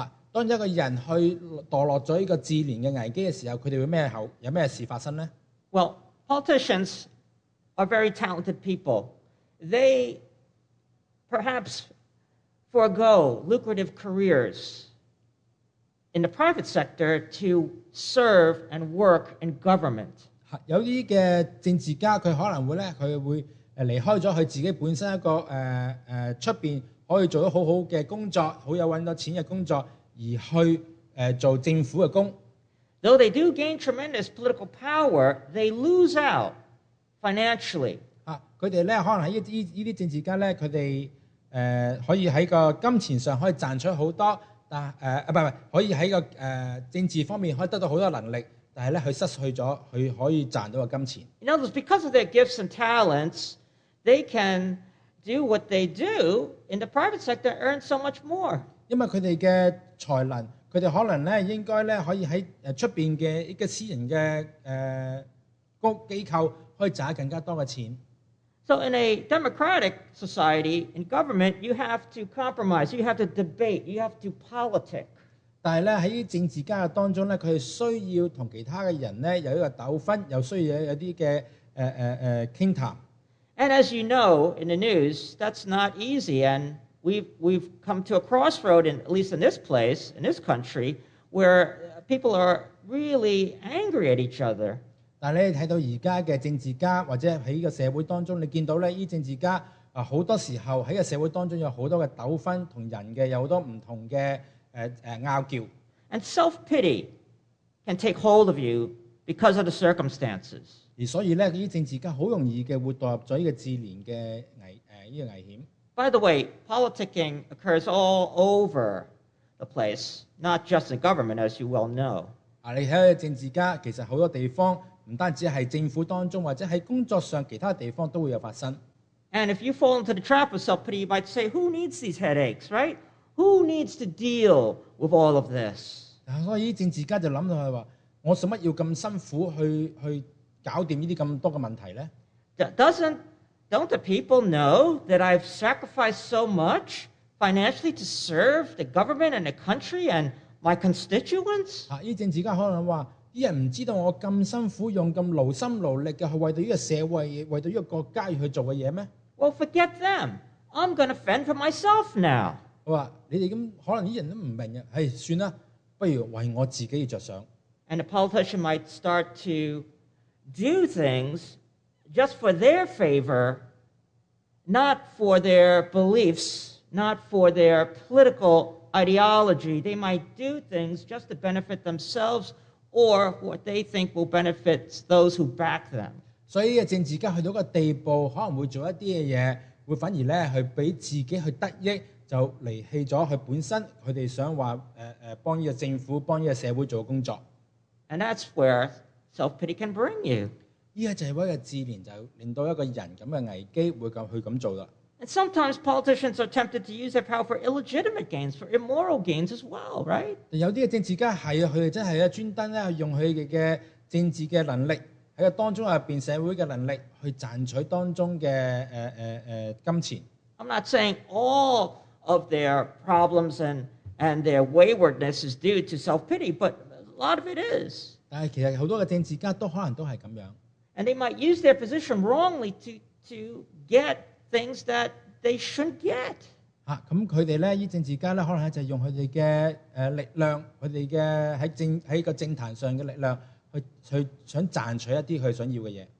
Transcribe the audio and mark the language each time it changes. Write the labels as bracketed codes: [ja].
[yue] 当一个人去堕落咗呢个自怜嘅危机嘅时候，佢哋会有咩事发生呢？ [en] Well, politicians are very talented people. They perhaps forego lucrative careers in the private sector to serve and work in government. [yue] 有啲嘅政治家，佢可能会咧，佢会离开咗佢自己本身一个出边。可以做到好好嘅工作，好有揾到錢嘅工作，而去做政府嘅工。 [en] Though they do gain tremendous political power, they lose out financially. [yue] 佢哋咧可能喺呢啲政治家咧，佢哋可以喺個金錢上可以賺取好多，但可以喺個政治方面可以得到好多能力，但係咧佢失去咗佢可以賺到嘅金錢。 [en] In other words, because of their gifts and talents, they can. Do what they do in the private sector, earn so much more. [yue] 因为佢哋嘅才能，佢哋可能咧应该咧可以喺出边嘅一个私人嘅机构可以赚更加多嘅钱。 [en] So in a democratic society, in government, you have to compromise, you have to debate, you have to politic. [yue] 但系咧喺政治家当中咧，佢哋需要同其他嘅人咧有一个纠纷，又需要有啲嘅倾谈。 [en] And as you know in the news, that's not easy. And we've come to a crossroad, at least in this place, in this country, where people are really angry at each other. [yue] 但你睇到而家嘅政治家，或者喺呢个社会当中，你见到咧，依政治家好多时候喺个社会当中有好多嘅纠纷，同人嘅有好多唔同嘅拗叫。 [en] And self-pity can take hold of you because of the circumstances. [yue] 所以咧，啲政治家好容易嘅会堕入咗呢个自怜嘅危险。 [en] By the way, politicking occurs all over the place, not just in government, as you well know. [yue] 你睇下政治家，其实好多地方唔单止系政府当中，或者喺工作上其他地方都会有发生。 [en] And if you fall into the trap of self-pity, you might say, "Who needs these headaches, right? Who needs to deal with all of this?" [yue] 所以政治家就谂到系话，我使乜要咁辛苦去？搞掂呢啲咁多嘅問題咧 [en] ？Don't the people know that I've sacrificed so much financially to serve the government and the country and my constituents？ [yue] 啲政治家可能話：啲人唔知道我咁辛苦用咁劳心劳力嘅去为到呢个社会为到呢个国家去做嘅嘢咩 [en] ？Well, forget them. I'm gonna fend for myself now. [yue] 我话你哋咁可能啲人都唔明嘅，唉，算啦，不如为我自己着想。 [en] And a politician might start to do things just for their favor, not for their beliefs, not for their political ideology. They might do things just to benefit themselves. Or what they think will benefit those who back them. So, a [yue] 政治家去到一个地步，可能会做一啲嘅嘢，会反而咧去俾自己去得益，就离弃咗佢本身，佢哋想话帮呢个政府、帮呢个社会做工作。 [en] And that's where self-pity can bring you. [yue] 呢个就系一个自怜，就令到一个人咁嘅危机会咁去咁做啦。 [en] And sometimes politicians are tempted to use their power for illegitimate gains, for immoral gains as well, right? [yue] 有啲嘅政治家係啊，佢哋真係啊，專登咧去用佢哋嘅政治嘅能力喺個當中入邊社會嘅能力去賺取當中嘅金錢。 [en] I'm not saying all of their problems and their waywardness is due to self-pity, but a lot of it is. [yue] 但係其實好多嘅政治家都可能都係咁樣。 [en] And they might use their position wrongly to get. Things that they shouldn't get. [yue] 啊，咁佢哋咧，依政治家咧，可能就用佢哋嘅力量，佢哋嘅喺个政坛上嘅力量，去想赚取一啲佢想要嘅嘢。